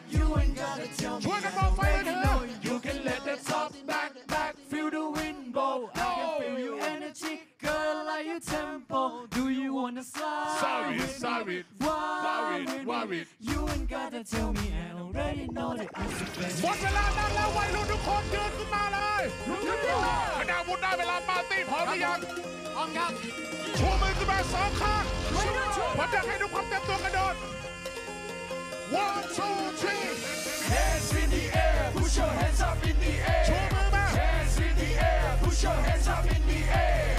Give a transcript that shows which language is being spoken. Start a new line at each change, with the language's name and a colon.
English: You ain't gotta tell me how to make it known You can let the top back feel the wind bowl I can feel your energy, girl, like your tempo Do you wanna slide with me? You ain't gotta tell me how to make it known
Thai: หมดเวลาแล้ววัยรุ่นทุกคนเดินขึ้นมาเลยคะแนนวุ้นได้เวลาปาร์ตี้พร้อมหรือยัง พร้อมครับ ชูมือขึ้นมาสองข้าง ชูชู ผมจะให้ทุกคนเต็มตัวกระโดด
English: One two three Hands in the air Push your hands up in the air
Thai: ชูมือมา
English: Hands in the air Push your hands up in the air